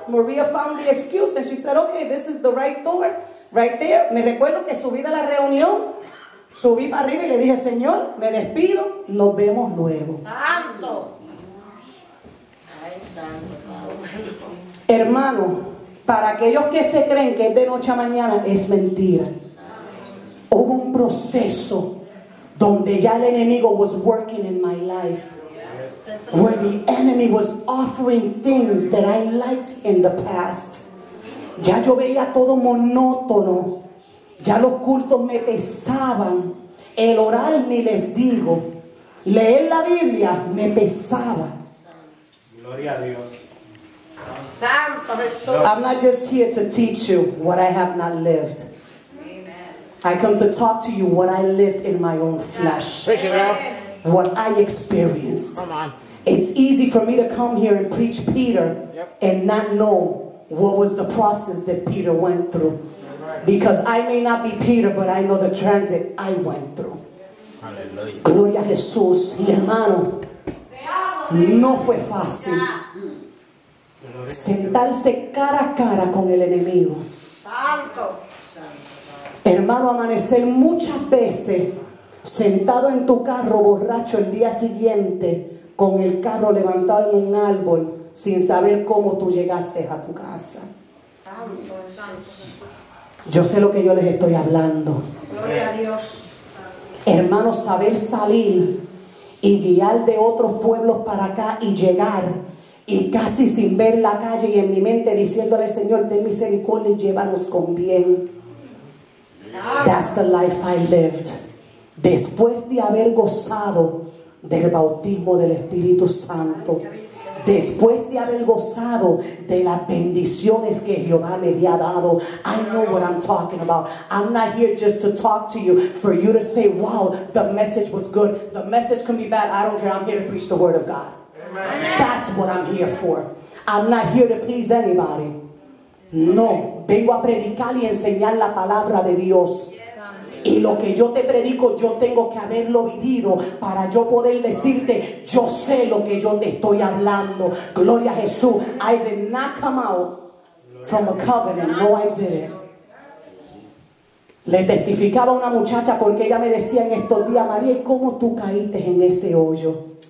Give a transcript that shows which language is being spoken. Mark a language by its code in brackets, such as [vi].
[en] María found the excuse and she said, okay, this is the right door, right there. [es] Me recuerdo que subí de la reunión, subí para arriba y le dije: Señor, me despido, nos vemos luego. Santo. Hermano, para aquellos que se creen que es de noche a mañana, es mentira. Hubo un proceso donde ya el enemigo [en] was working in my life, where the enemy was offering things that I liked in the past. [es] Ya yo veía todo monótono, ya los cultos me pesaban, el orar ni les digo, leer la Biblia me pesaba. Gloria a Dios. [en] I'm not just here to teach you what I have not lived. Amen. I come to talk to you what I lived in my own flesh. Amen. What I experienced. Come on. It's easy for me to come here and preach Peter, yep, and not know what was the process that Peter went through. Right. Because I may not be Peter, but I know the transit I went through. Hallelujah. [es] Gloria a Jesús. Y hermano, no fue fácil sentarse cara a cara con el enemigo. Santo. Hermano, amanecer muchas veces sentado en tu carro borracho el día siguiente con el carro levantado en un árbol sin saber cómo tú llegaste a tu casa. Santo. Yo sé lo que yo les estoy hablando. Gloria a Dios. Hermano, saber salir y guiar de otros pueblos para acá y llegar y casi sin ver la calle y en mi mente diciéndole: Señor, ten misericordia y llévanos con bien. [en] That's the life I lived. [es] Después de haber gozado del bautismo del Espíritu Santo, después de haber gozado de las bendiciones que Jehová me había dado. [en] I know what I'm talking about. I'm not here just to talk to you, for you to say, wow, the message was good. The message can be bad, I don't care. I'm here to preach the word of God. Amen. That's what I'm here for. I'm not here to please anybody. [es] No, vengo a predicar y enseñar la palabra de Dios. Y lo que yo te predico, yo tengo que haberlo vivido para yo poder decirte, yo sé lo que yo te estoy hablando. Gloria a Jesús. [en] I did not come out from a covenant. No, I didn't. [es] Le testificaba a una muchacha porque ella me decía en estos días: María, ¿cómo tú caíste en ese hoyo?